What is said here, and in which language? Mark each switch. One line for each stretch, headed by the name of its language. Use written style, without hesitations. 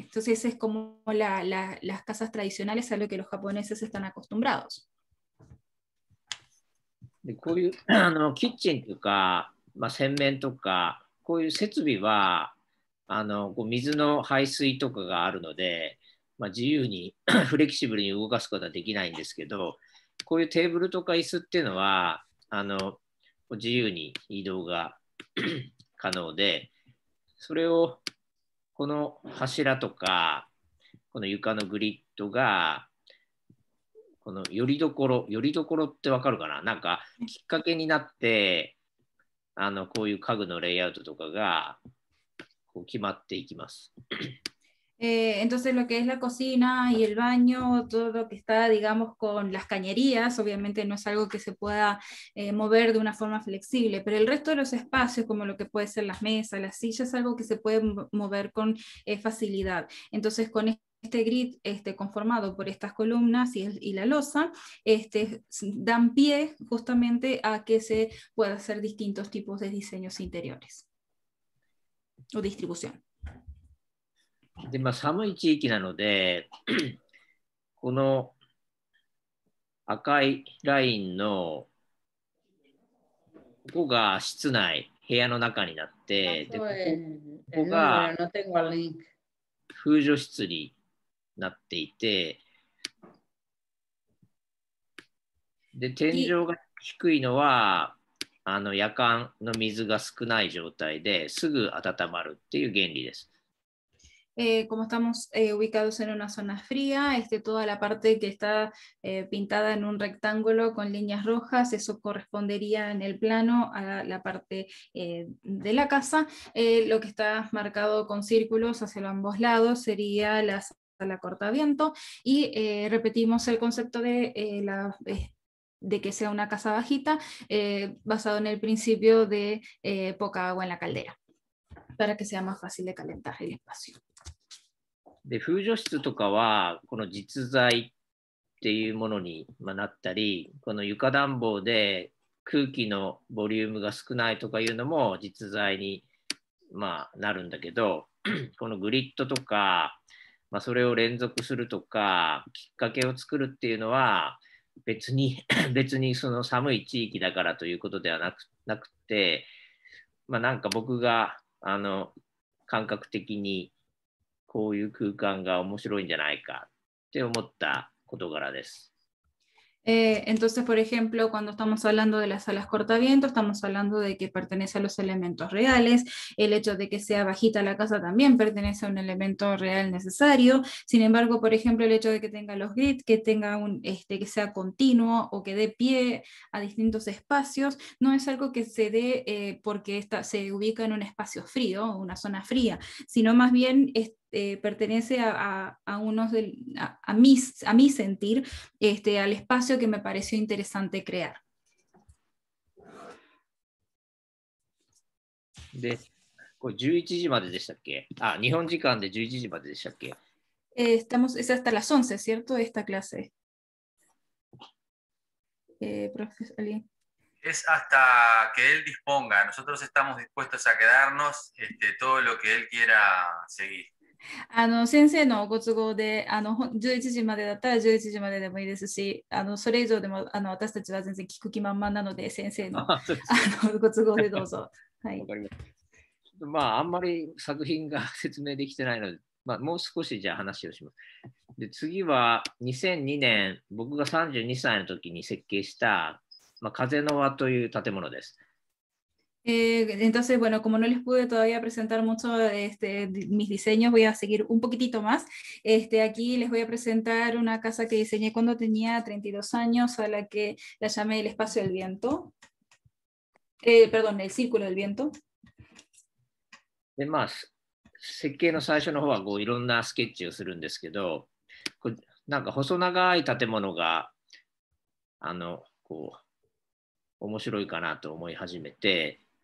Spanish: Entonces es como las casas tradicionales a lo que los japoneses están acostumbrados.
Japanese: キッチン とか、まあ、洗面とか、こういう設備は水の排水とかがあるので、まあ、自由にフレキシブルに動かすことはできないんですけど、こういうテーブルとか椅子っていうのは自由に移動が可能で、それをこの柱とかこの床のグリッドがこのよりどころってわかるかな、なんかきっかけになって、こういう家具のレイアウトとかが決まっていきます。
Spanish: Entonces lo que es la cocina y el baño, todo lo que está digamos con las cañerías, obviamente no es algo que se pueda mover de una forma flexible, pero el resto de los espacios como lo que puede ser las mesas, las sillas, es algo que se puede mover con facilidad. Entonces con este grid conformado por estas columnas y la losa, dan pie justamente a que se pueda hacer distintos tipos de diseños interiores.
Japanese: でまあ、寒い地域なのでこの赤いラインのここが室内部屋の中になって、でここが風除室になっていて、で天井が低いのは夜間の水が少ない状態ですぐ温まるっていう原理です。
Spanish: Como estamos ubicados en una zona fría, toda la parte que está pintada en un rectángulo con líneas rojas, eso correspondería en el plano a la parte de la casa. Lo que está marcado con círculos hacia ambos lados sería la sala cortaviento. Y repetimos el concepto de la. De que sea una casa bajita, basado en el principio de poca agua en la caldera, para que sea más fácil de calentar el espacio.
Japanese: De 風除室とかは、この実在っていうものになったり、この床暖房で空気のボリュームが少ないとかいうのも実在に、まあ、なるんだけど、このグリッドとか、まあ、それを連続するとか、きっかけを作るっていうのは、別にその寒い地域だからということではなくて、まあ、なんか僕が感覚的にこういう空間が面白いんじゃないかって思った事柄です。
Spanish: Entonces, por ejemplo, cuando estamos hablando de las salas cortaviento, estamos hablando de que pertenece a los elementos reales. El hecho de que sea bajita la casa también pertenece a un elemento real necesario. Sin embargo, por ejemplo, el hecho de que tenga los grids, que tenga que sea continuo o que dé pie a distintos espacios, no es algo que se dé porque se ubica en un espacio frío o una zona fría, sino más bien pertenece a mi sentir al espacio que me pareció interesante crear.
Japanese: De, ¿11 時まででしたっけ? Ah, 日本時間で11時まででしたっけ?
Spanish: Estamos, es hasta las 11, ¿cierto? Esta clase. Profesor, es hasta que él disponga. Nosotros estamos dispuestos a quedarnos todo lo que él quiera seguir.
Japanese: Sensei no ご都合で11時までだったら11時まででもいいですし、それ以上でも私たちは全然聞く気満々なので、先生のご都合でどうぞ。はい。わかりました。まあ、あんまり作品が説明できてないので、まあ、もう少しじゃあ話をします。で、次は2002年、僕が32歳の時に設計した、まあ、風の輪という建物です。
Spanish: Entonces, bueno, como no les pude todavía presentar mucho mis diseños, voy a seguir un poquitito más. Aquí les voy a presentar una casa que diseñé cuando tenía 32 años, a la que la llamé el espacio del viento. El círculo del viento. Además,
Japanese: 設計の最初の方はこういろんなスケッチをするんですけど、なんか細長い建物が、こう、面白いかなと思い始めて、